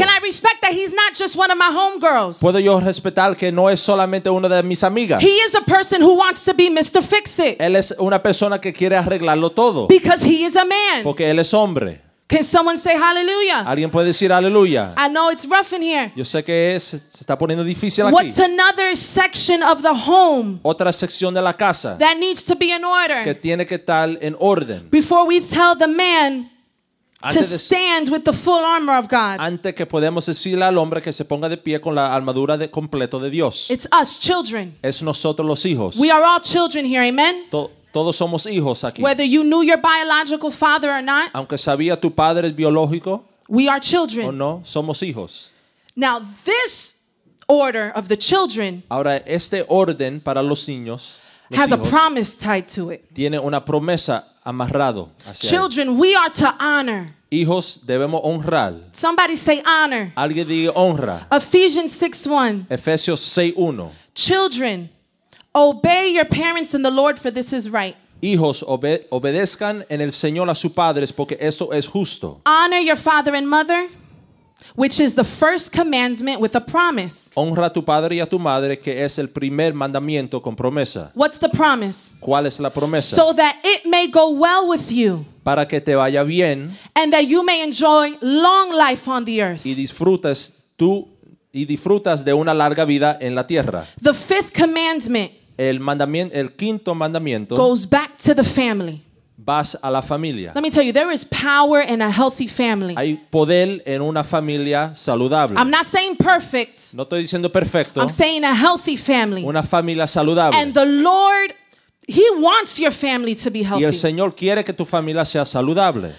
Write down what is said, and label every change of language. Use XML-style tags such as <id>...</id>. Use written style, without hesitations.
<en>Can I respect that he's not just one of my homegirls?</en> <es>¿Puedo yo respetar que no es solamente una de mis amigas?</es> <en>He is a person who wants to be Mr. Fix-It.</en> <es>Él es una persona que quiere arreglarlo todo.</es> <en>Because he is a man.</en> <es>Porque él es hombre.</es> <en>Can someone say hallelujah?</en> <es>¿Alguien puede decir aleluya?</es> <en>I know it's rough in here.</en> <es>Yo sé que es, se está poniendo difícil aquí.</es> <en>What's another section of the home?</en> <es>Otra sección de la casa.</es> <en>That needs to be in order.</en> <es>Que tiene que estar en orden.</es> <en>Before we tell the man to stand with the full armor of God.</en> <es>Antes que podemos decirle al hombre que se ponga de pie con la armadura de completo de Dios.</es> <en>It's us children.</en> <es>Es nosotros los hijos.</es> <en>We are all children here, amen.</en> <es>Todos somos hijos aquí.</es> <en>Whether you knew your biological father or not,</en> <es>aunque sabía tu padre biológico,</es> <en>we are children.</en> <es>O no, somos hijos.</es> <en>Now this order of the children,</en> <es>ahora este orden para los niños,</es> <en>has</en> <es>los hijos,</es> <en>a promise tied to it.</en> <es>Tiene una promesa amarrado. Hacia</es> <en>children,</en> <es>él.</es> <en>We are to honor.</en> <es>Hijos, debemos honrar.</es> <en>Somebody say honor.</en> <es>Alguien diga honra.</es> <en>Ephesians 6:1.</en> <es>Efesios 6:1.</es> <en>Children. Obey your parents in the Lord, for this is right.</en> <es>Hijos, obedezcan en el Señor a sus padres, porque eso es justo.</es> <en>Honor your father and mother, which is the first commandment with a promise.</en> <es>Honra a tu padre y a tu madre, que es el primer mandamiento con promesa.</es> <en>What's the promise?</en> <es>¿Cuál es la promesa?</es> <en>So that it may go well with you.</en> <es>Para que te vaya bien.</es> <en>And that you may enjoy long life on the earth.</en> <es>Y disfrutes tú. Y disfrutas de una larga vida en la tierra.</es> <en>The fifth commandment.</en> <es>El quinto mandamiento.</es> <en>Goes back to the family.</en> <es>Vas a la familia.</es> <en>Let me tell you, there is power in a healthy family.</en> <es>Hay poder en una familia saludable.</es> <en>I'm not saying perfect.</en> <es>No estoy diciendo perfecto.</es> <en>I'm saying a healthy family.</en> <es>Una familia saludable.</es> <en>And the Lord, he wants your family to be healthy.</en> <es>Y el Señor quiere que tu familia sea saludable.</es>